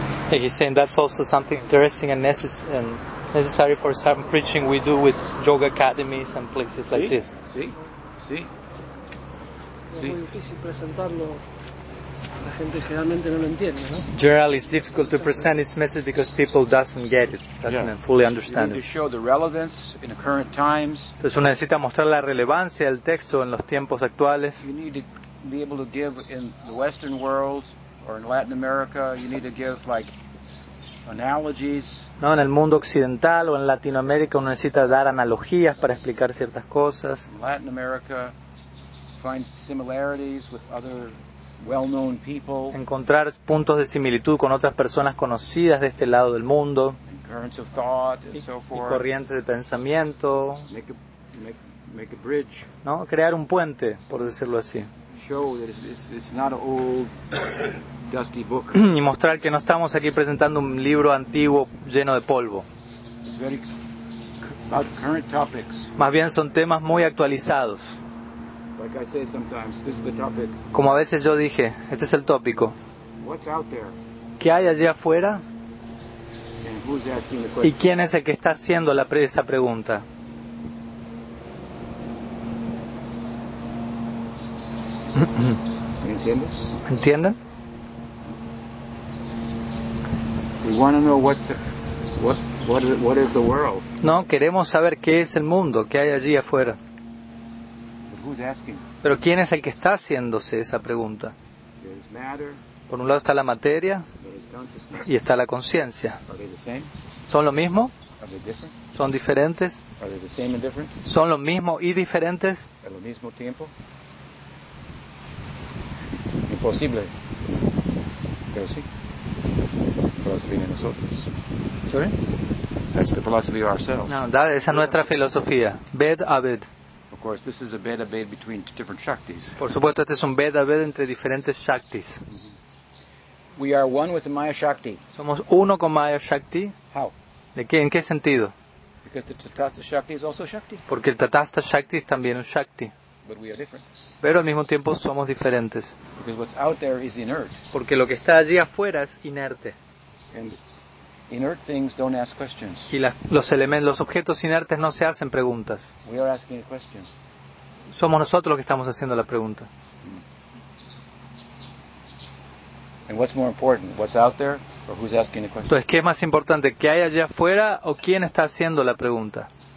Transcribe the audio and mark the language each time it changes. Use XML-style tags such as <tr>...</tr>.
<en>He's saying that's also something interesting and necessary for some preaching we do with yoga academies and places like</en> <es>sí,</es> <en>this.</en> <es>Sí, sí, sí. Es muy difícil presentarlo. La gente generalmente no lo entiende, ¿no?</es> <en>Generally, it's difficult to present its message because people doesn't get it, doesn't fully understand it. You need to show the relevance in the current times.</en> <es>Entonces, uno necesita mostrar la relevancia del texto en los tiempos actuales.</es> <en>You need to be able to give in the Western world or in Latin America. You need to give like. Analogies.</en> <es>No, en el mundo occidental o en Latinoamérica uno necesita dar analogías para explicar ciertas cosas.</es> <en>Latin America, find similarities with other well-known people.</en> <es>Encontrar puntos de similitud con otras personas conocidas de este lado del mundo.</es> <en>And currents of thought and so forth.</en> <es>Y corrientes de pensamiento.</es> <en>Make a bridge.</en> <es>No, crear un puente, por decirlo así.</es> <en>Show that it's not an old dusty book.</en> <es>Y mostrar que no estamos aquí presentando un libro antiguo lleno de polvo.</es> <en>It's very about current topics.</en> <es>Más bien son temas muy actualizados.</es> <en>Like I say sometimes, this is the topic.</en> <es>Como a veces yo dije, este es el tópico.</es> <en>What's out there?</en> <es>¿Qué hay allí afuera?</es> <en>And who's asking the question?</en> <es>¿Y quién es el que está haciendo esa pregunta? ¿Entienden?</es> <en>We want to know what is the world.</en> <es>No, queremos saber qué es el mundo, qué hay allí afuera.</es> <en>But who's asking?</en> <es>Pero quién es el que está haciéndose esa pregunta.</es> <en>There's matter,</en> <es>por un lado está la materia y está la conciencia. ¿Son lo mismo?</es> <en>Are they different?</en> <es>¿Son diferentes?</es> <en>Are they the same and different?</en> <es>¿Son lo mismo y diferentes? ¿Al mismo tiempo? Imposible. Pero sí. La filosofía de nosotros.</es> <en>¿Sorry? That's the philosophy of ourselves.</en> <es>No, esa es nuestra filosofía. Ved Aved.</es> <en>Of course, this is a Ved Aved between different Shaktis.</en> <es>Por supuesto, este es un Ved Aved entre diferentes Shaktis.</es> <en>We are one with the Maya Shakti.</en> <es>Somos uno con Maya Shakti.</es> <en>How?</en> <es>¿De qué? ¿En qué sentido?</es> <en>Because the Tathasta Shakti is also Shakti.</en> <es>Porque el Tathasta Shakti es también un Shakti.</es> <en>But we are different.</en> <es>Pero al mismo tiempo somos diferentes.</es> <en>Because what's out there is inert.</en> <es>Porque lo que está allí afuera es inerte.</es> <en>And Inert things don't ask questions.</en> <es>Y los objetos inertes no se hacen preguntas.</es> <en>We are asking questions.</en> <es>Somos nosotros los que estamos haciendo la pregunta.</es> <en>And what's more important, what's out there or who's asking the question?</en> <es>Entonces, ¿qué es más importante, qué hay allá afuera o quién está haciendo la pregunta?</es>